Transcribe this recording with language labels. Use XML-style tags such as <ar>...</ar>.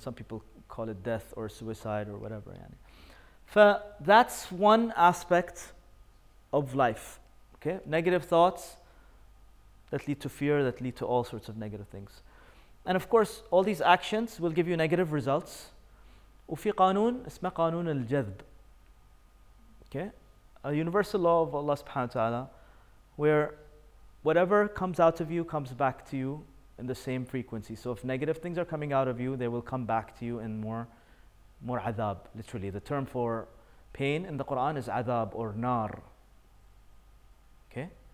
<en>Some people call it death or suicide or whatever. Yani. That's one aspect of life. Okay, negative thoughts that lead to fear, that lead to all sorts of negative things. And of course, all these actions will give you negative results.</en> <ar>وفي قانون اسمه قانون الجذب.</ar> <en>Okay? A universal law of Allah subhanahu wa ta'ala, where whatever comes out of you comes back to you in the same frequency. So if negative things are coming out of you, they will come back to you in more adab. Literally, the term for pain in the Quran is adab or nar. Okay?</en>